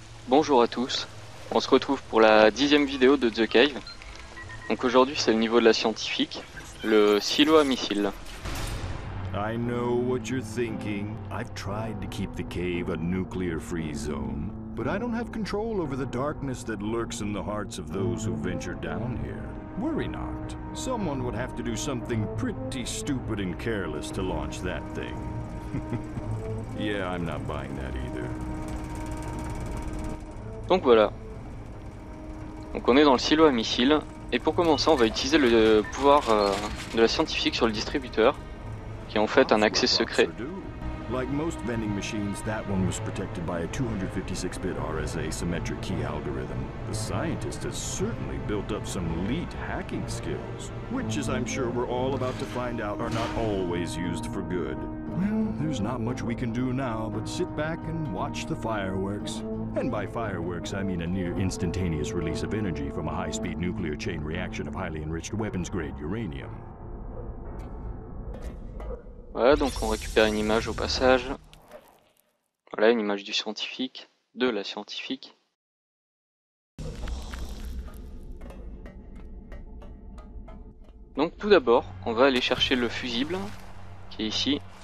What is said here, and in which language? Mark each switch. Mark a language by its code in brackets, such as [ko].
[fr] Bonjour à tous, on se retrouve pour la 10e vidéo de The Cave. Donc aujourd'hui c'est le niveau de la scientifique, le silo à missiles. [en] I know what you're thinking. I've tried to keep the cave a nuclear-free zone, but I don't have control over the darkness that lurks in the hearts of those who venture down here. Worry not. Someone would have to do something pretty stupid and careless to launch that thing. Yeah, I'm not buying that either. [fr] Donc voilà. Donc on est dans le silo à missiles. Et pour commencer, on va utiliser le pouvoir de la scientifique sur le distributeur, qui est en fait un accès secret. [en] Like most vending machines, that one was protected by a 256-bit RSA symmetric key algorithm. The scientist has certainly built up some elite hacking skills, which, as I'm sure we're all about to find out, are not always used for good. Well, there's not much we can do now but sit back and watch the fireworks. And by fireworks, I mean a near instantaneous release of energy from a high-speed nuclear chain reaction of highly enriched weapons-grade uranium. [fr] Voilà, donc on récupère une image au passage. Voilà, une image du scientifique, de la scientifique. Donc tout d'abord, on va aller chercher le fusible, qui est ici.